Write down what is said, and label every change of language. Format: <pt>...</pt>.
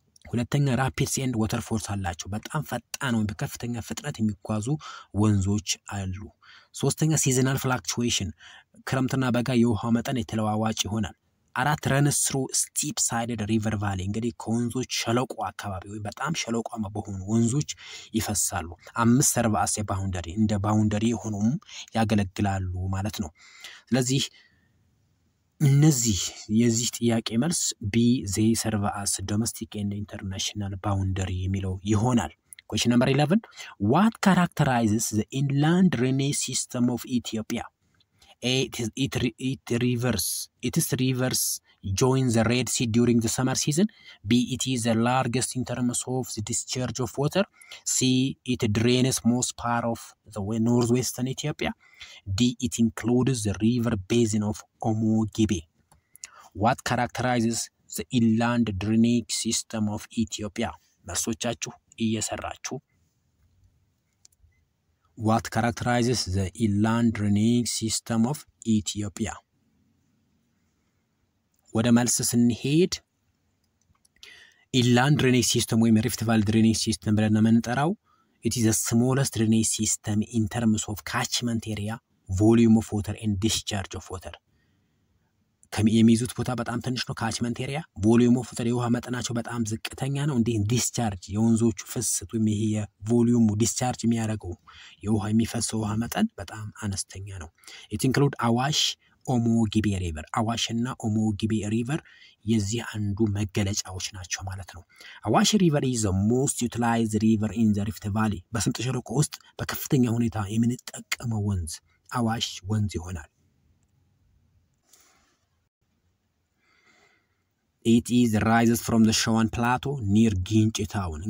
<am>ሁለተኛ ራፒድስ ኤንድ ወተር ፎርስ አላቸው። በጣም ፈጣን ወይም በከፍተኛ ፍጥነት የሚጓዙ ወንዞች አሉ። ሶስተኛ ሲዝናል ፍላክቹዌሽን ክረምትና በጋ የውሃ መጠን የተለዋዋጭ ይሆናል። አራት ረንስ ትሩ ስቲፕ ሳይድድ ሪቨር ቫሊ እንግዲህ ከወንዞች ሸለቆ አካባቢ ወይም በጣም ሸለቆማ በሆኑ ወንዞች ይፈሳሉ። አምስት ሰርቫስ የባውንደሪ እንደ ባውንደሪ ሆኖም ያገለግላሉ ማለት ነው። ስለዚህ እነዚህ የዚህ ጥያቄ መልስ ቢ</am> <en>ዘይ ሰርቫስ ዶሜስቲክ ኤንድ ኢንተርናሽናል ባውንደሪ</en> <am>የሚለው ይሆናል።</am> <en>ኳሽን ነምበር 11 what characterizes the inland drainage system of Ethiopia? A. Its rivers join the Red Sea during the summer season. B. It is the largest in terms of the discharge of water. C. It drains most part of the northwestern Ethiopia. D. It includes the river basin of Omo-Gibe. What characterizes the inland drainage system of Ethiopia?</en> <am>መልሶቻችሁ እየሰራችሁ</am> <en>What characterizes the inland drainage system of Ethiopia?</en> <am>ወደ መልስ ስንሄድ</am> <en>inland drainage system ወይም rift valley drainage system</en> <am>ብለን መንጠራው</am> <en>it is the smallest drainage system in terms of catchment area, volume of water and discharge of water.</en> <am>የሚይዙት ቦታ በጣም ትንሽ ነው። ካችመንት ኤሪያ ቮሊዩም ኦፍ ወተር የውሃ መጠናቸው በጣም ዝቅተኛ ነው። እንዴ ዲስቻርጅ የወንዞቹ ፍሰት ወይም ይሄ ቮሊዩም ዲስቻርጅ የሚያደርገው የውሃ የሚፈሰው ውሃ መጠን በጣም አነስተኛ ነው።</am> <en>ኢት ኢንክሉድ አዋሽ</en> <am>ኦሞጊቤ ሪቨር። አዋሽ እና ኦሞጊቤ ሪቨር የዚህ አንዱ መገለጫዎች ናቸው ማለት ነው።</am> <en>አዋሽ ሪቨር ኢዝ ዘ ሞስት ዩቲላይዝድ ሪቨር ኢን ዘ ሪፍት ቫሊ።</en> <am>በስምጥ ሸለቆ ውስጥ በከፍተኛ ሁኔታ የምንጠቀመው ወንዝ አዋሽ ወንዝ ይሆናል።</am> <en>It is rises from the Shawan Plateau near Ginch Town.</en>